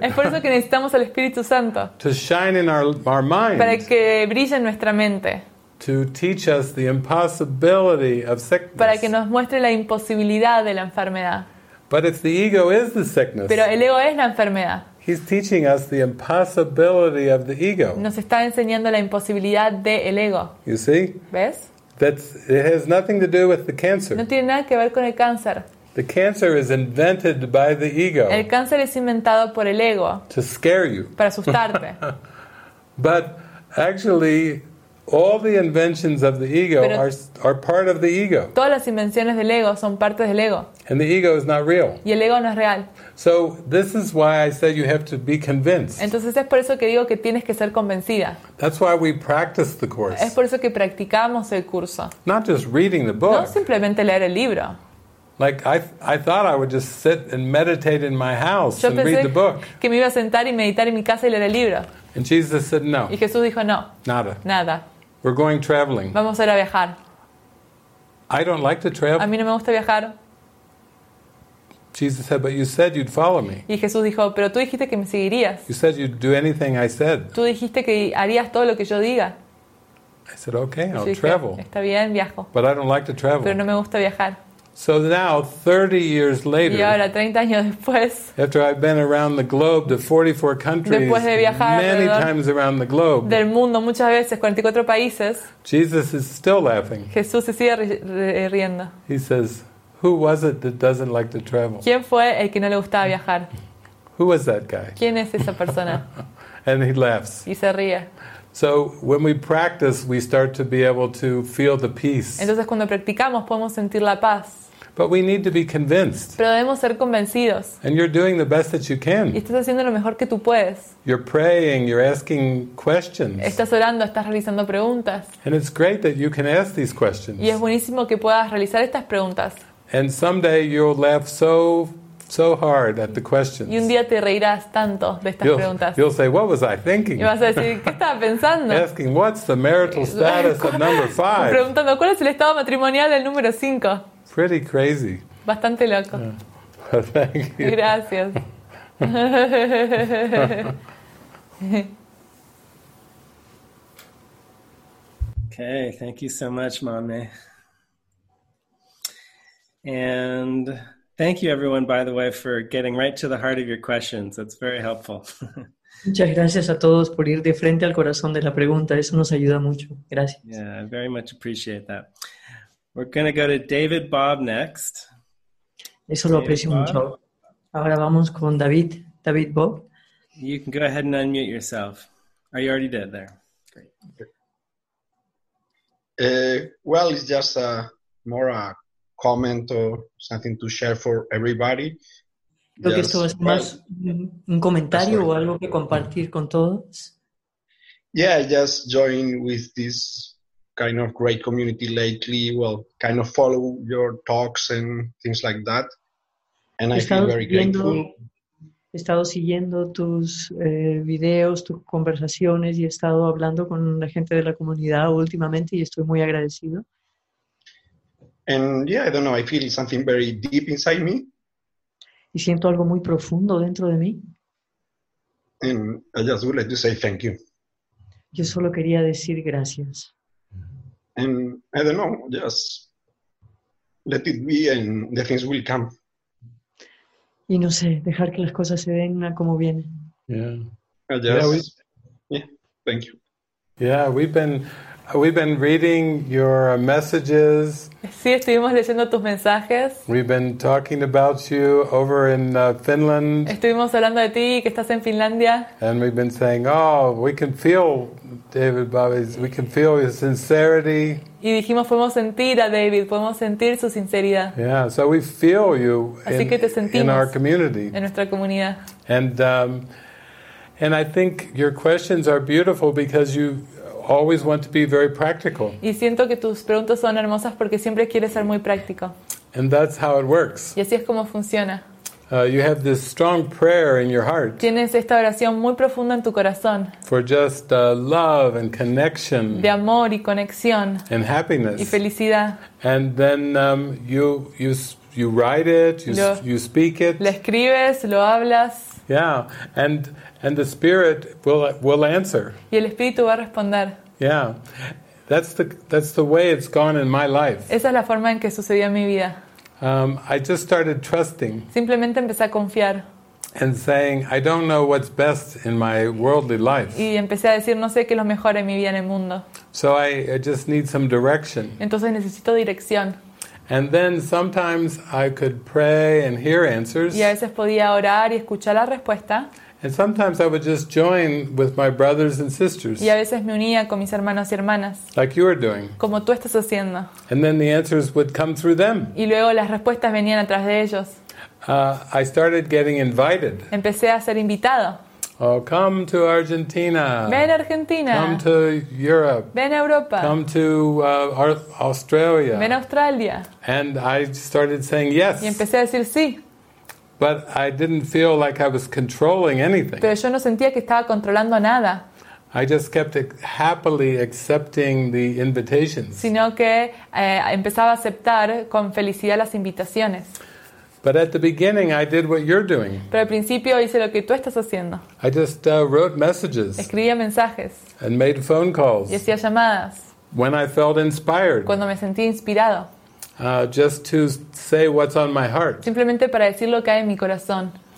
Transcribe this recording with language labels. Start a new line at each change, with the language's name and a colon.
Spanish: Es por eso que necesitamos al Espíritu Santo.
English: To shine in our minds.
Spanish: Para que brille en nuestra mente.
English: To teach us the impossibility of sickness.
Spanish: Para que nos muestre la imposibilidad de la enfermedad.
English: But if the ego is the sickness.
Spanish: Pero el ego es la enfermedad.
English: He's teaching us the impossibility of the ego.
Spanish: Nos está enseñando la imposibilidad del ego.
English: You see?
Spanish: ¿Ves?
English: It has nothing to do with the cancer.
Spanish: No tiene nada que ver con el cáncer.
English: The cancer is invented by the ego.
Spanish: El cáncer es inventado por el ego.
English: To scare you.
Spanish: Para asustarte.
English: But actually all the inventions of the ego are part of the ego.
Spanish: Todas las invenciones del ego son parte del ego.
English: And the ego is not real.
Spanish: Y el ego no es real.
English: So this is why I said you have to be convinced.
Spanish: Entonces es por eso que digo que tienes que ser convencida.
English: That's why we practice the course.
Spanish: Es por eso que practicamos el curso.
English: Not just reading the book.
Spanish: No simplemente leer el libro.
English: Like I thought I would just sit and meditate in my house
Spanish: yo
English: and read the book.
Spanish: Que me iba a sentar y meditar en mi casa y leer el libro.
English: And Jesus said no.
Spanish: Y Jesús dijo no. Nada. Nada.
English: We're going traveling.
Spanish: Vamos a ir a viajar.
English: I don't like to travel.
Spanish: A mí no me gusta viajar.
English: Jesus said, but you said you'd follow me.
Spanish: Y Jesús dijo, pero tú dijiste que me seguirías.
English: You said you'd do anything I said.
Spanish: Tú dijiste que harías todo lo que yo diga.
English: I said, okay, I'll travel.
Spanish: Está bien, viajo.
English: But I don't like to travel.
Spanish: Pero no me gusta viajar.
English: So now, 30 years later,
Spanish: y ahora, 30 años después,
English: after I've been around the globe to 44 countries,
Spanish: después de viajar
English: many times around the globe,
Spanish: del mundo muchas veces, 44 países,
English: Jesus is still laughing.
Spanish: Jesús se sigue riendo.
English: He says, who was it that doesn't like to travel?
Spanish: ¿Quién fue el que no le gustaba viajar?
English: Who was that guy?
Spanish: ¿Quién es esa persona?
English: And he laughs.
Spanish: Y se ríe.
English: So when we practice, we start to be able to feel the peace.
Spanish: Entonces cuando practicamos podemos sentir la paz.
English: But we need to be convinced.
Spanish: Pero debemos ser convencidos.
English: And you're doing the best that you can.
Spanish: Y estás haciendo lo mejor que tú puedes.
English: You're praying, you're asking questions.
Spanish: Estás orando, estás realizando preguntas.
English: And it's great that you can ask these questions.
Spanish: Y es buenísimo que puedas realizar estas preguntas.
English: And someday you'll laugh so so hard at the questions.
Spanish: Y un día te reirás tanto de estas preguntas.
English: You'll say, what was I thinking?
Spanish: Y vas a decir, ¿qué estaba pensando?
English: Asking, what's the marital status of number five?
Spanish: Preguntando, ¿cuál es el estado matrimonial del número 5?
English: Pretty crazy.
Spanish: Bastante loco.
English: Yeah. Well, thank you.
Spanish: Gracias.
English: Okay, thank you so much, Mame. And thank you, everyone, by the way, for getting right to the heart of your questions. That's very helpful.
Spanish: Muchas gracias a todos por ir de frente al corazón de la pregunta. Eso nos ayuda mucho. Gracias.
English: Yeah, I very much appreciate that. We're going to go to David Bob next.
Spanish: Eso lo aprecio mucho. Ahora vamos con David. David Bob.
English: You can go ahead and unmute yourself. Are you already dead there? Great. Well, it's just more a comment or something to share for everybody.
Spanish: Creo que esto es más un comentario o algo que compartir con todos.
English: Yeah, just join with this kind of great community lately. Well, kind of follow your talks and things like that. And I feel very grateful.
Spanish: He estado siguiendo tus videos, tus conversaciones y he estado hablando con la gente de la comunidad últimamente y estoy muy agradecido.
English: And yeah, I don't know, I feel something very deep inside me.
Spanish: Y siento algo muy profundo dentro de mí.
English: And I just would like to say thank you.
Spanish: Yo solo quería decir gracias.
English: And I don't know, just let it be and the things will come.
Spanish: Y no sé, dejar que las cosas se den a como vienen.
English: Yeah. Thank you. Yeah, we've been reading your messages.
Spanish: Sí, estuvimos leyendo tus mensajes.
English: We've been talking about you over in Finland.
Spanish: Estuvimos hablando de ti, que estás en Finlandia.
English: And we've been saying, oh, we can feel David Bobby's, we can feel his sincerity.
Spanish: Y dijimos, podemos sentir a David, podemos sentir su sinceridad.
English: Yeah, so we feel you
Spanish: así
English: in,
Spanish: que te sentimos
English: in our community.
Spanish: En nuestra comunidad.
English: And I think your questions are beautiful because you always want to be very practical.
Spanish: Y siento que tus preguntas son hermosas porque siempre quieres ser muy práctico.
English: And that's how it works.
Spanish: Y así es como funciona.
English: You have this strong prayer in your heart.
Spanish: Tienes esta oración muy profunda en tu corazón.
English: For just love and connection.
Spanish: De amor y conexión.
English: And happiness.
Spanish: Y felicidad.
English: And then you write it, you speak it.
Spanish: Lo escribes, lo hablas.
English: Yeah, and the Spirit will answer.
Spanish: Y el Espíritu va a responder.
English: Yeah, that's the way it's gone in my life.
Spanish: Esa es la forma en que sucedió en mi vida.
English: I just started trusting.
Spanish: Simplemente empecé a confiar.
English: And saying, I don't know what's best in my worldly life.
Spanish: Y empecé a decir, no sé qué es lo mejor en mi vida en el mundo.
English: So I just need some direction.
Spanish: Entonces necesito dirección.
English: And then sometimes I could pray and hear answers.
Spanish: Y a veces podía orar y escuchar la respuesta.
English: And sometimes I would just join with my brothers and sisters.
Spanish: Y a veces me unía con mis hermanos y hermanas.
English: Like you are doing.
Spanish: Como tú estás haciendo.
English: And then the answers would come through them.
Spanish: Y luego las respuestas venían atrás de ellos.
English: I started getting invited.
Spanish: Empecé a ser invitado.
English: Oh, come to Argentina.
Spanish: Ven a Argentina.
English: Come to Europe.
Spanish: Ven a Europa.
English: Come to Australia.
Spanish: Ven a Australia.
English: And I started saying yes.
Spanish: Y empecé a decir sí.
English: But I didn't feel like I was controlling anything.
Spanish: Pero yo no sentía que estaba controlando nada.
English: I just kept happily accepting the invitations.
Spanish: Sino que empezaba a aceptar con felicidad las invitaciones.
English: But at the beginning I did what you're doing.
Spanish: Pero al principio hice lo que tú estás haciendo.
English: I just wrote messages.
Spanish: Escribía mensajes.
English: And made phone calls.
Spanish: Y hacía llamadas.
English: When I felt inspired.
Spanish: Cuando me sentí inspirado.
English: Just to say what's on my heart.
Spanish: Simplemente para decir lo que hay en mi corazón.